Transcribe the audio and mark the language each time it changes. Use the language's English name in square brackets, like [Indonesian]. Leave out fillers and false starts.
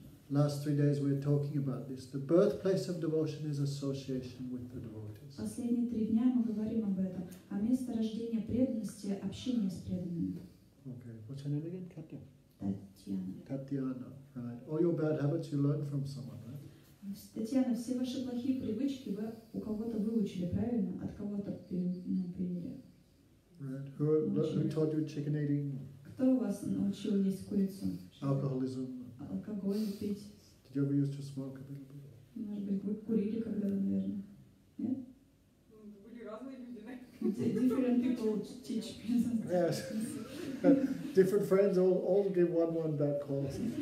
[English] Last 3 days we're talking about this. The birthplace of devotion is association with the devotees. [Russian] Последние 3 дня мы говорим об этом. А место рождения преданности – общение с преданными. [English] Okay, what's her name again, Katya? [Russian] Татьяна. [English] Татьяна, right. All your bad habits you learn from someone, right? [Russian] Татьяна, все ваши плохие привычки вы у кого-то выучили, правильно? От кого-то приняли. [English] Right. Who taught you chicken eating? [Russian] Кто вас научил есть курицу? [English] Alcoholism. [Russian] Алкоголь пить. [English] Did you ever used to smoke a little bit? [Russian] Может быть, вы курили когда-то, наверное? Нет? Были разные люди, да? [English] Different people teach business. Yes. Different friends all give one bad calls.